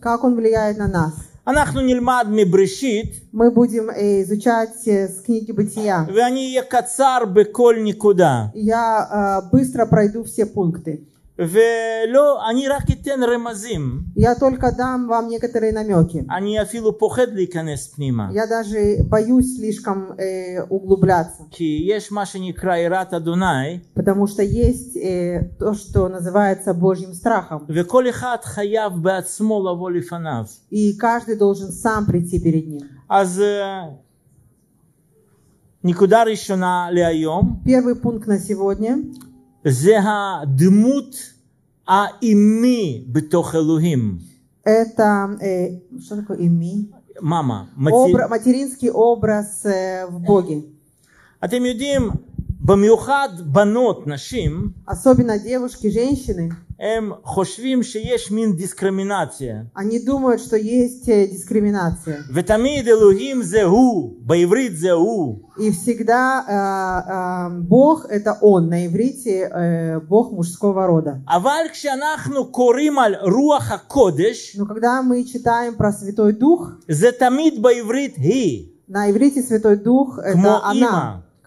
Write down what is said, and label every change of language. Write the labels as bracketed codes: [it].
[ru] Как он влияет на нас? [he] אנחנו נלמד מבראשית. [ru] Мы будем изучать с книги Бытия. [he] ואני אהיה קצר בכל נקודה. [ru] Я быстро пройду все пункты. [he] ולא, אני רק אתן רמזים. [ru] Я только дам вам некоторые намеки. [he] אני אפילו פוחד להיכנס פנימה. [ru] Я даже боюсь слишком углубляться. [he] כי יש מה שנקרא יראת אדוני. [ru] Потому что есть то, что называется Божьим страхом. [he] וכל אחד חייב בעצמו לבוא לפניו. [ru] И каждый должен сам прийти перед ним. [he] אז נקודה ראשונה להיום. [ru] Первый пункт на сегодня. [he] זה הדמות האימי בתוך אלוהים. [ru] Это, что такое אימי? Мама. Материнский образ в Боге. [he] אתם יודעים, במיוחד בנות, נשים, [ru] особенно девушки, женщины, [he] הם חושבים שיש מין דיסקרימינציה. [ru] Они думают, что есть дискриминация. [he] ותמיד אלוהים זה הוא, בעברית זה הוא. [ru] И всегда Бог это он, на иврите Бог мужского рода. [he] אבל כשאנחנו קוראים על רוח הקודש, [ru] но когда мы читаем про Святой Дух, [he] זה תמיד בעברית היא. [ru] На иврите Святой Дух это она.